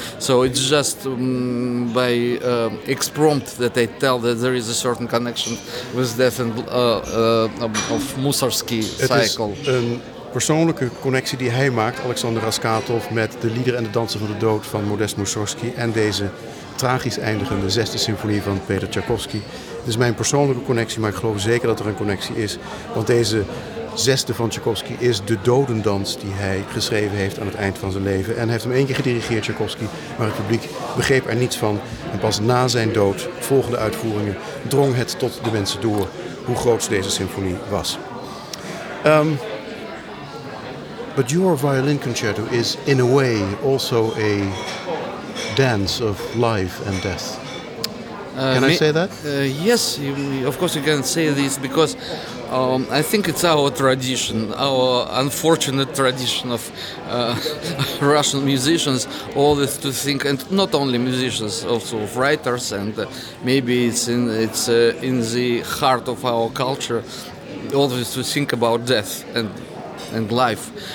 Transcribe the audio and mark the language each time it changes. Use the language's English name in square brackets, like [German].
[English] So it's just by exprompt that I tell that there is a certain connection with death and of Mussorgsky cycle. [Dutch] It is een persoonlijke connectie die hij maakt, Alexander Raskatov, met de lieder en de dansen van de dood van Modest Mussorgsky en deze tragisch eindigende zesde symfonie van Peter Tchaikovsky. Het is mijn persoonlijke connectie, maar ik geloof zeker dat er een connectie is. Want deze zesde van Tchaikovsky is de dodendans die hij geschreven heeft aan het eind van zijn leven. En hij heeft hem 1 keer gedirigeerd, Tchaikovsky, maar het publiek begreep er niets van. En pas na zijn dood, volgende uitvoeringen, drong het tot de mensen door hoe groot deze symfonie was. [English] But your violin concerto is in a way also a dance of life and death. Can I say that? Yes, of course you can say this, because I think it's our tradition, our unfortunate tradition of Russian musicians, always to think, and not only musicians, also of writers, and maybe it's in the heart of our culture, always to think about death and life.